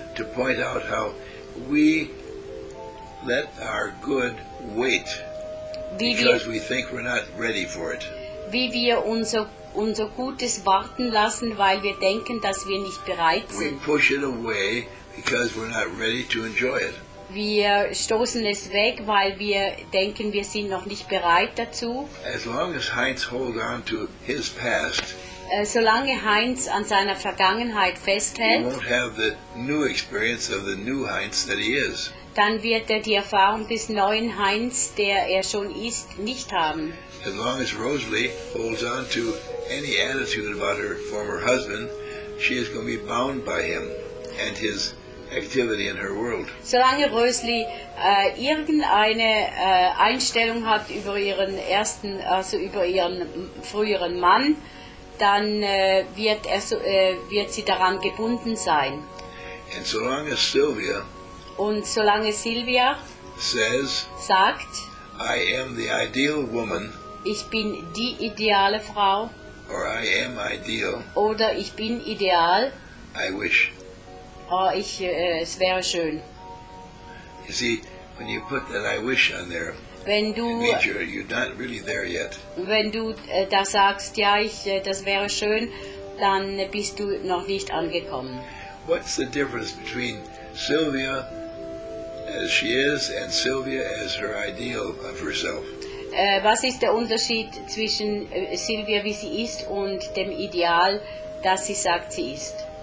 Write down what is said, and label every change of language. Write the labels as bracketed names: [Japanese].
[English] To point out how we let our good wait because we think we're not ready for it. [German] Wie wir unser Gutes warten lassen, weil wir denken, dass wir nicht bereit sind. [English] We push it away because we're not ready to enjoy it. [German] Wir stoßen es weg, weil wir denken, wir sind noch nicht bereit dazu. [English] As long as Heinz holds on to his past, [German] solange Heinz an seiner Vergangenheit festhält, [English] he won't have the new experience of the new Heinz that he is. [German] Dann wird die Erfahrung des neuen Heinz, der schon ist, nicht haben. [English] As long as Rosalie holds on to any attitude about her former husband, she is going to be bound by him and his activity in her world. [German] Solange Rosalie irgendeine Einstellung hat über ihren ersten, also über ihren früheren Mann, dann wird sie daran gebunden sein. [English] And so long as Sylvia [German] und solange Sylvia [English] says, [German] sagt, [English] I am the ideal woman, [German] ich bin die ideale Frau, [English] or I am ideal, [German] oder ich bin ideal, [English] I wish. [German] Oh, es wäre schön. [English] You see, when you put that I wish on there, [German] wenn du, [English] you're not really there yet. [German] Wenn du da sagst, ja, das wäre schön, dann bist du noch nicht angekommen. [English] What's the difference between Sylvia as she is and Sylvia as her ideal of herself? [German] Was ist der Unterschied zwischen Sylvia, wie sie ist, und dem Ideal, das sie sagt, sie ist?